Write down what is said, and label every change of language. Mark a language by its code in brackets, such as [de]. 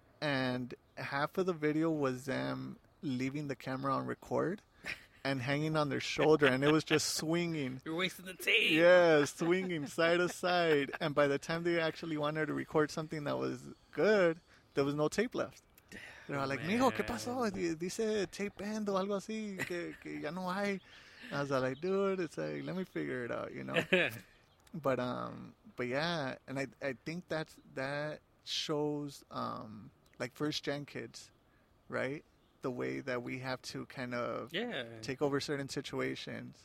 [en] And half of the video was them leaving the camera on record and hanging on their shoulder, and it was just swinging. You're wasting the tape. Yeah, swinging side to side. And by the time they actually wanted to record something that was good, there was no tape left. They're all like, [es] mijo, ¿qué pasó? Dice tape band o algo así, que ya no hay. [en] I was like, dude, it's like, let me figure it out, you know? but yeah, and I think that shows, like, first-gen kids, right? The way that we have to kind of take over certain situations.